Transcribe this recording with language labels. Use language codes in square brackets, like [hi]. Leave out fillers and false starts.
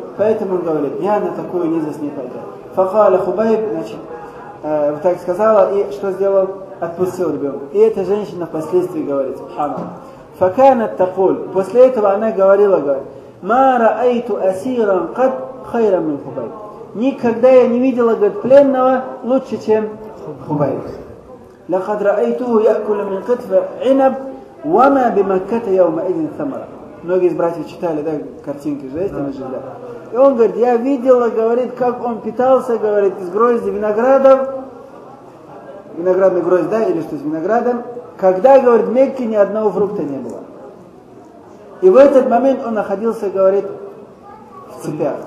[ru] Поэтому он говорит, я на такую низость не пойду. [ar] Фахала [ru] Хубайб, значит, так сказала, и что сделал? Отпустил ребенка. И эта женщина впоследствии говорит, субханаллах. [ar] Факана такуль. [ru] После этого она говорила, говорит, [ar] ма раайту асиран кад хайра мин Хубайб. [ru] Никогда я не видела, говорит, пленного лучше, чем Хубайб. [ar] لقد رأيته يأكل من قطف عنب وما بمكة يومئذ ثمرة. [ru] Многие из братьев читали, да, картинки же есть, да, да. И он говорит, я видела, говорит, как он питался, говорит, из грозди виноградов, виноградной грозди, да, или что с виноградом, когда, говорит, в Мекке ни одного фрукта не было. И в этот момент он находился, говорит, в цепях.